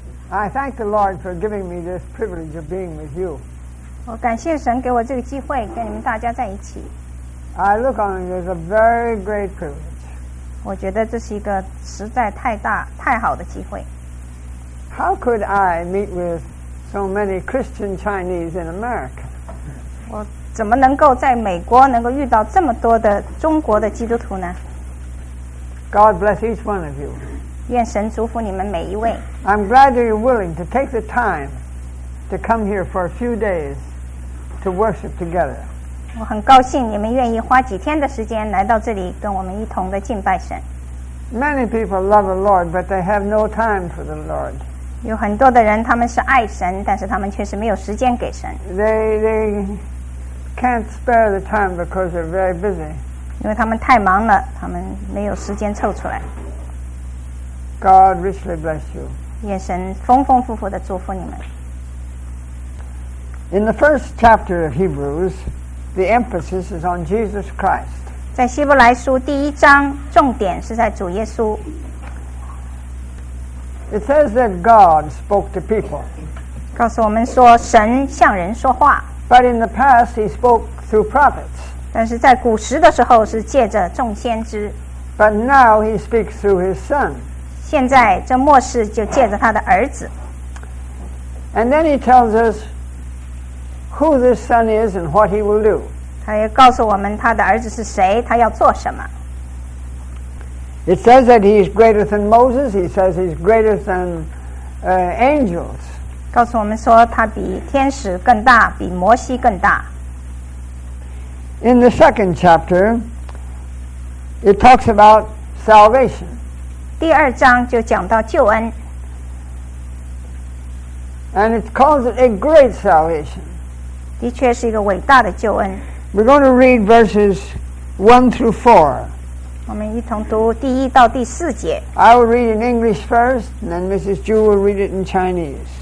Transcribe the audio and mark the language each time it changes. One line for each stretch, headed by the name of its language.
English: I thank the Lord for giving me this privilege of being with you.
Chinese: 我感谢神给我这个机会跟你们大家在一起。
English: I look on it as a very great privilege.
Chinese: 我觉得这是一个实在太大太好的机会。
English: How could I meet with so many Christian Chinese in America?
Chinese: 我怎么能够在美国能够遇到这么多的中国的基督徒呢？
English: God bless each one of you.
Chinese: 愿神祝福你们每一位。
English: I'm glad you're willing to take the time to come here for a few days to worship together.
Chinese: 我很高兴你们愿意花几天的时间来到这里跟我们一同的敬拜神。
English: Many people love the Lord, but they have no time for the Lord.
Chinese: 有很多的人他们是爱神，但是他们确实没有时间给神。
English: They can't spare the time because they're very busy.
Chinese: 因为他们太忙了，他们没有时间凑出来。
English: God richly bless you.
Chinese: 愿神丰丰富富地祝福你们。
English: In the first chapter of Hebrews, the emphasis is on Jesus Christ.
Chinese: 在希伯来书第一章，重点是在主耶稣。
English: It says that God spoke to people.
Chinese: 告诉我们说神向人说话。
English: But in the past, he spoke through prophets.
Chinese: 但是在古时的时候是借着众先知。
English: But now he speaks through his son.
Chinese: 现在这末世就借着他的儿子。
English: And then he tells us,Who this son is and what he will do.
Chinese: 他也告诉我们他的儿子是谁，他要做什么。
English: It says that he is greater than Moses. He says he's greater than angels.
Chinese: 告诉我们说他比天使更大，比摩西更大。
English: In the second chapter, it talks about salvation.
Chinese: 第二章就讲到救恩。
English: And it calls it a great salvation.
Chinese: 的确是一个伟大的救恩。
English: We're going to read verses 1 through 4.
Chinese: 我们一同读第一到第四节。
English: I will read in English first, and then Mrs. Ju will read it in Chinese.